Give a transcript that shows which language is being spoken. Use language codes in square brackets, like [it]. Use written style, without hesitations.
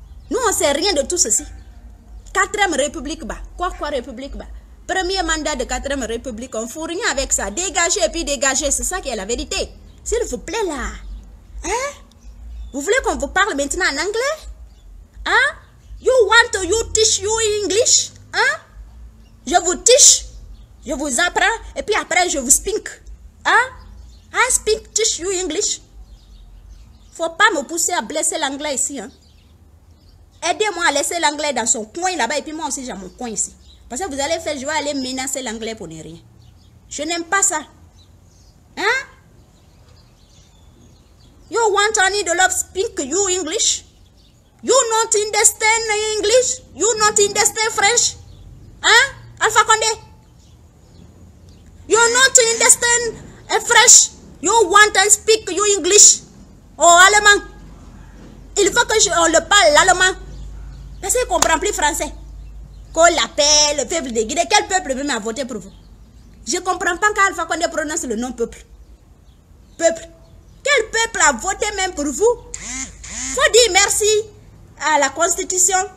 [fr] Nous, on ne sait rien de tout ceci. Quatrième République, bah. Quoi, République, bah. Premier mandat de Quatrième République, on ne fout rien avec ça. Dégagez et puis dégagez, c'est ça qui est la vérité. S'il vous plaît, là. Hein? Vous voulez qu'on vous parle maintenant en anglais? Hein? [en] You want to you teach you English? [fr] Hein? Je vous [en] teach, [fr] je vous apprends, et puis après, je vous [en] speak. [fr] Hein? [en] I speak, teach you English. [fr] Faut pas me pousser à blesser l'anglais ici, hein? Aidez-moi à laisser l'anglais dans son coin là-bas, et puis moi aussi j'ai mon coin ici. Parce que vous allez faire, je vais aller menacer l'anglais pour ne rien. Je n'aime pas ça. Hein? [en] You want any de love speak you English? You not understand English? You not understand French? Hein? Alpha Condé? You not understand French? You want and speak you English? [fr] Oh, allemand? Il faut que on le parle, l'allemand. Parce qu'il ne comprend plus français. Qu'on l'appelle le peuple de Guinée. Quel peuple même a voté pour vous? Je ne comprends pas quand Alpha Condé prononce le nom peuple. Peuple. Quel peuple a voté même pour vous? Il faut dire merci à la Constitution.